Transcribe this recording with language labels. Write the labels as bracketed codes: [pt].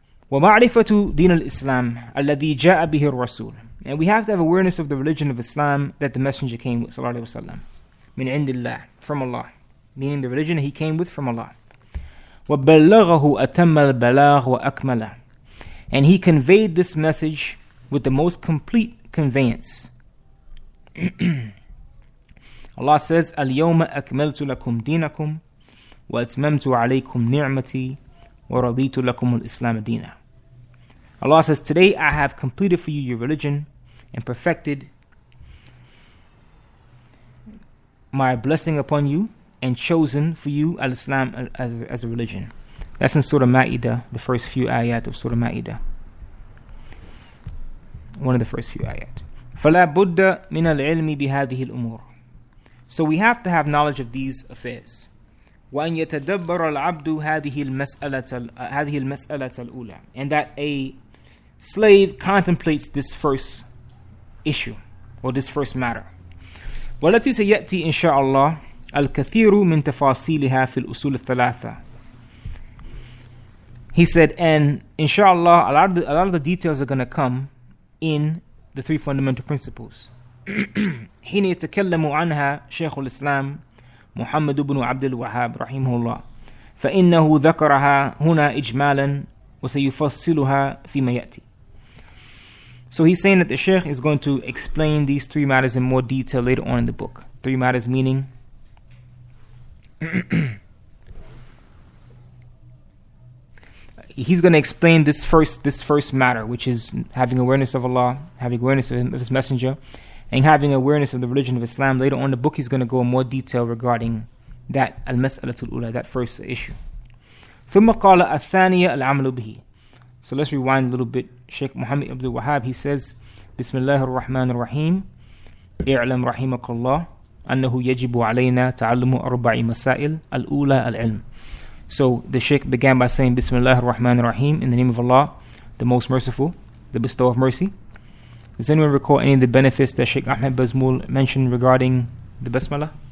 [ar] وَمَعْرِفَةُ دِينَ الْإِسْلَامِ الَّذِي جَاءَ بِهِ الرَّسُولُ, [en] and we have to have awareness of the religion of Islam that the Messenger came with, sallallahu alaihi wasallam, [ar] مِنْ عِنْدِ اللَّهِ, [en] from Allah, meaning the religion he came with from Allah. [ar] وَبَلَّغَهُ أَتَمَّ الْبَلَاغُ وَأَكْمَلَ, [en] and he conveyed this message with the most complete conveyance. Allah says, [ar] الْيَوْمَ أَكْمَلْتُ لَكُمْ دِينَكُمْ وَأَتْمَمْتُ عَلَيْكُمْ نِعْمَتِي وَرَضِيتُ لَكُمُ الْإِسْلَامَ دِينًا. [en] Allah says, today I have completed for you your religion and perfected my blessing upon you and chosen for you al-Islam as a religion. That's in Surah Ma'idah, the first few ayat of Surah Ma'idah. One of the first few ayat. [ar] فَلَا بُدَّ مِنَ الْعِلْمِ بِهَذِهِ الْأُمُورِ, [en] so we have to have knowledge of these affairs. [ar] وَأَنْ يَتَدَبَّرَ الْعَبْدُ هَذِهِ الْمَسْأَلَةَ الْأُولَى, [en] and that a slave contemplates this first issue or this first matter. [ar] وَالَّتِي سَيَأْتِي إِنْ شَاءَ اللَّهِ الْكَثِيرُ مِنْ تَفَاصِيلِهَا فِي الْأُصُولِ الثَّلَاثَةِ. [en] He said, and inshallah, a lot of the details are going to come in the three fundamental principles. [ar] حين يتكلم عنها شيخ الإسلام محمد بن عبد الوهاب رحمه الله فإنه ذكرها هنا إجمالا وسيفصلها فيما يأتي. [en] So he's saying that the Sheikh is going to explain these three matters in more detail later on in the book. Three matters meaning he's going to explain this first matter, which is having awareness of Allah, having awareness of his messenger, and having awareness of the religion of Islam. Later on in the book, he's going to go in more detail regarding that al-mas'alatul ula, that first issue. [ar] ثم قال الثانية العمل به. [en] So let's rewind a little bit. Sheikh Muhammad Abdul Wahhab, he says, [ar] بسم الله الرحمن الرحيم اعلم رحمك الله أنه يجب علينا تعلم أربع مسائل الأولى العلم. [en] So the Sheikh began by saying, Bismillah ar-Rahman ar-Rahim, in the name of Allah, the Most Merciful, the Bestower of Mercy. Does anyone recall any of the benefits that Sheikh Ahmed Bazmul mentioned regarding the Basmalah?